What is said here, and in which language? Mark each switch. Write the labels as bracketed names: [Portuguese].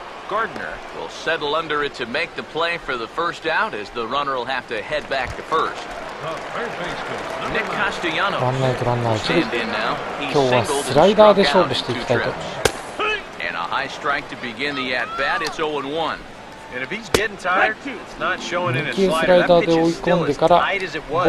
[English] Gardner will settle under it to make the play for the first out as the runner will have to head back to first. Nick Castellanos. [Japanese] ランナーとランナー1です。今日はスライダーで勝負していきたいと。 [English] And a high strike to begin the at bat. It's 0-1. And if he's getting tired, it's not showing in his slider. That pitch is still as tight as it was.